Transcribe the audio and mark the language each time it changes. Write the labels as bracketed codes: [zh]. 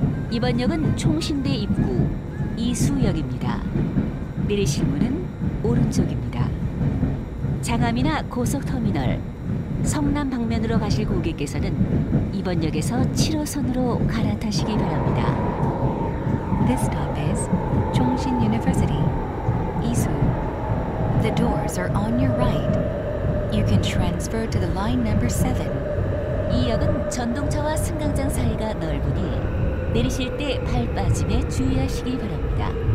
[ko] 2번역은 총신대 입구 이수역입니다. 내리실 문은 오른쪽입니다. 장암이나 고속터미널 성남 방면으로 가실 고객께서는 2번역에서 7호선으로 갈아타시기 바랍니다. [en] This stop is 총신 University, 이수. The doors are on your right. You can transfer to the line number 7. [ko] 이 역은 전동차와 승강장 사이가 넓으니 내리실 때 발 빠짐에 주의하시기 바랍니다.